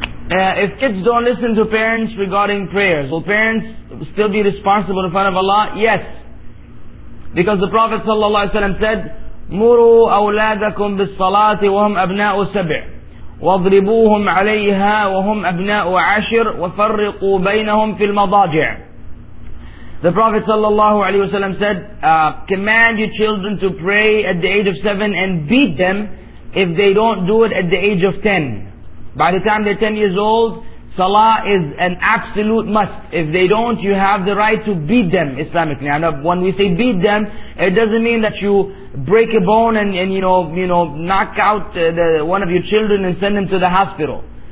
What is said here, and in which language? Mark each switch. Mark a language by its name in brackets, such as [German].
[English] If kids don't listen to parents regarding prayers, will parents still be responsible in front of Allah? Yes. Because the Prophet ﷺ said, [Arabic] مروا أولادكم بالصلاة وهم أبناء سبع واضربوهم عليها وهم أبناء عشر وفرقوا بينهم في المضاجع. [English] The Prophet [Arabic] sallallahu alayhi wasallam [English] said, command your children to pray at the age of seven and beat them if they don't do it at the age of 10. By the time they're 10 years old, salah is an absolute must. If they don't, you have the right to beat them Islamically. And when we say beat them, it doesn't mean that you break a bone and you know knock out the one of your children and send them to the hospital.